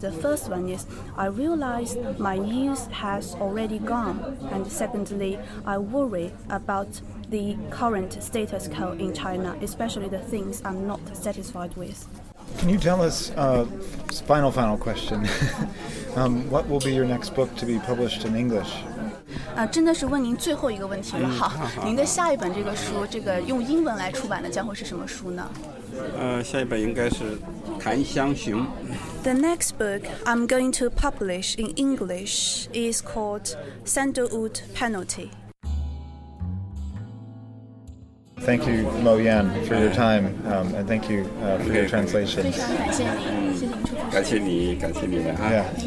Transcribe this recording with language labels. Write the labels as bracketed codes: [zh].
[en] The first one is I realize my youth has already gone, and secondly, I worry about the current status quo in China, especially the things I'm not satisfied with. Can you tell us, final question, what will be your next book to be published in English? [zh] 真的是问您最后一个问题了。好，您的下一本这个书，这个用英文来出版的将会是什么书呢？下一本应该是《檀香熊》。 [en] The next book I'm going to publish in English is called Sandalwood Penalty. Thank you, Mo Yan, for your time, and thank you for your translations. [zh] 非常感谢您，谢谢您出场。感谢你们啊。